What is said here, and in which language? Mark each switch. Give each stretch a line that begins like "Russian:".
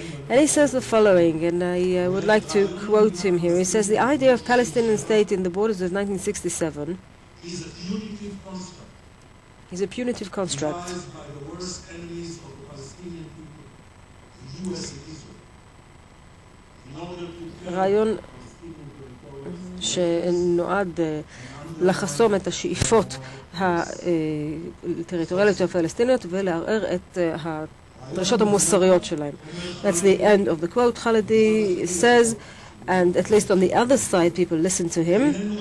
English: And he says the following, and I would like to quote him here. He says, the idea of Palestinian state in the borders of 1967 is a punitive construct devised by the worst enemies of the Palestinian people, the U.S. and Israel, in order to
Hebrew: rayon שנועד לחסום את השאיפות הטריטוריאליות הפלסטיניות ולערער את הדרישות המוסריות שלהם.
English: That's the end of the quote, Khalidi says, and at least on the other side people listen to him.